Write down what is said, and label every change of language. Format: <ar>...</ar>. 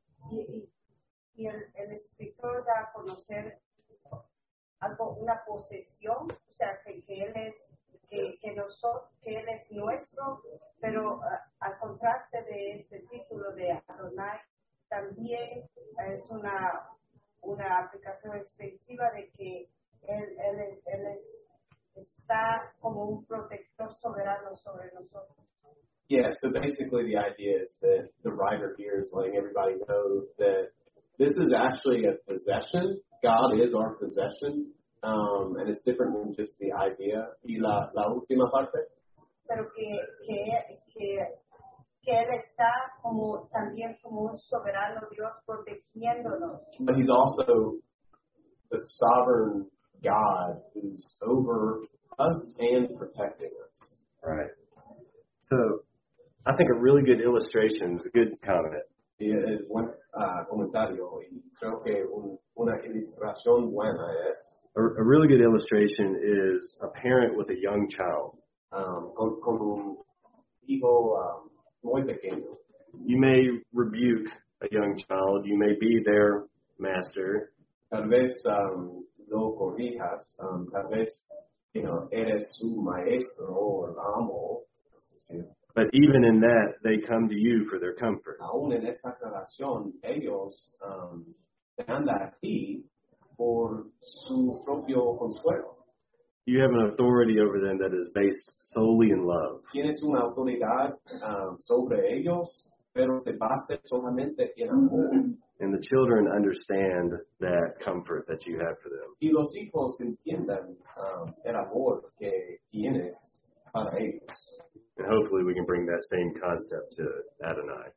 <es>Y el escritor da a conocer algo, una posesión, o sea, que él es, que él es nuestro, pero al contraste de este título de Adonai, también es una aplicación extensiva de que él es, está como un protector soberano sobre nosotros.</es> <en>Yeah, so basically the idea is that the writer here is letting everybody know that this is actually a possession. God is our possession. And it's different than just the idea.</en> <es>Y la última parte. Pero que él está como también como un soberano Dios protegiéndonos.</es> <en>But he's also the sovereign God who's over us and protecting us. Right. So I think a really good illustration is a good comment.</en> <es>Es buen comentario y creo que una ilustración buena es.</es> <en>A really good illustration is a parent with a young child.</en> <es>Con un hijo muy pequeño.</es> <en>You may rebuke a young child. You may be their master.</en> <es>Tal vez lo corrijas. Tal vez,</es> <en>you know,</en> <es>eres su maestro o el amo.</es> <en>But even in that, they come to you for their comfort.</en> <es>Aún en esta relación, ellos andan aquí. Por su propio consuelo.</es> <en>You have an authority over them that is based solely in love.</en> <es>Tienes una autoridad sobre ellos, pero se basa solamente en amor.</es> <en>And the children understand that comfort that you have for them.</en> <es>Y los hijos entienden el amor que tienes para ellos.</es> <en>And hopefully we can bring that same concept to Adonai.</en>